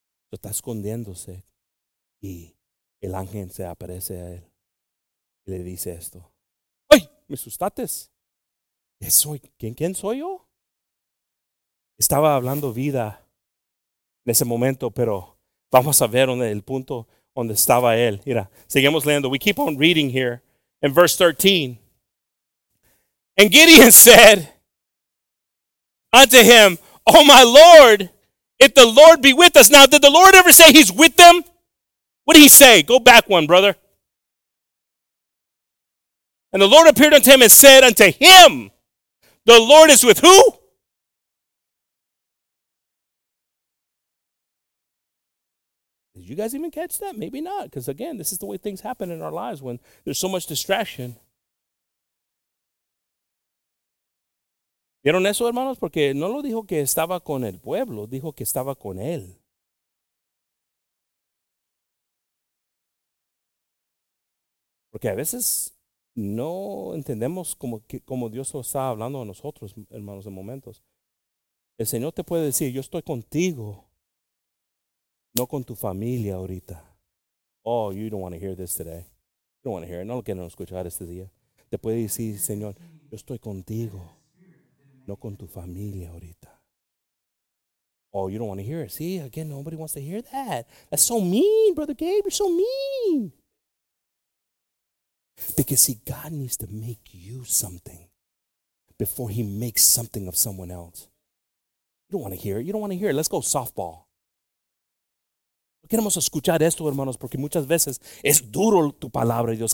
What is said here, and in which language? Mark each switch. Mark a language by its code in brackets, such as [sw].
[es] Lo está escondiéndose y el ángel se aparece a él y le dice esto. ¡Ay! ¡Me asustates! ¿Quién soy yo? Estaba hablando vida en ese momento, pero vamos a ver el punto donde estaba él. Mira, seguimos leyendo. [en] We keep on reading here in verse 13. And Gideon said unto him, oh, my Lord, if the Lord be with us. Now, did the Lord ever say he's with them? What did he say? Go back one, brother. And the Lord appeared unto him and said unto him, the Lord is with who? Did you guys even catch that? Maybe not. Because, again, this is the way things happen in our lives when there's so much distraction. [es] ¿Vieron eso, hermanos? Porque no lo dijo que estaba con el pueblo, dijo que estaba con él. Porque a veces no entendemos cómo Dios lo está hablando a nosotros, hermanos, en momentos. El Señor te puede decir, yo estoy contigo, no con tu familia ahorita. [en] Oh, you don't want to hear this today. You don't want to hear it. [es] No lo quieren escuchar este día. Te puede decir, Señor, yo estoy contigo. No con tu familia ahorita. [en] Oh, you don't want to hear it. See, again, nobody wants to hear that. That's so mean, Brother Gabe. You're so mean. Because, see, God needs to make you something before he makes something of someone else. You don't want to hear it. You don't want to hear it. Let's go softball. [es] No queremos escuchar esto, hermanos, porque muchas veces es duro tu palabra, Dios.